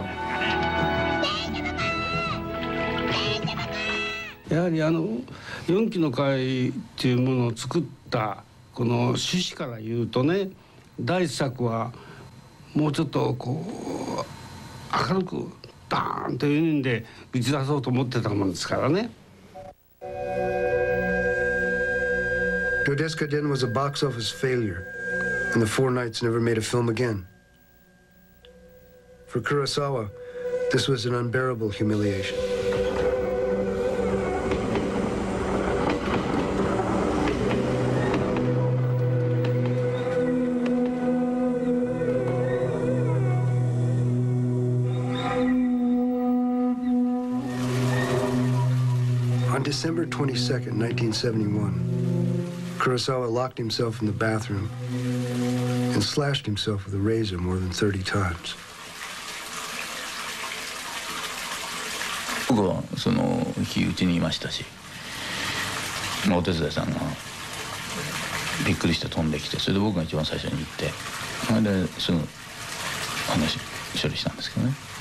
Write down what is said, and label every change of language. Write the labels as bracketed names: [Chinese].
[Japanese] やはり四季の会っていうものを作ったこの趣旨から言うとね、第一作はもうちょっとこう明るくダーンというんで打ち出そうと思ってたものですからね。 [English] Dodeska Den was a box office failure, and the Four Knights never made a film again. For Kurosawa, this was an unbearable humiliation. On December 22nd, 1971, Kurosawa locked himself in the bathroom and slashed himself with a razor more than 30 times. [Japanese] 僕はその日うちにいましたし、お手伝いさんがびっくりして飛んできて、それで僕が一番最初に行って、それですぐ話処理したんですけどね。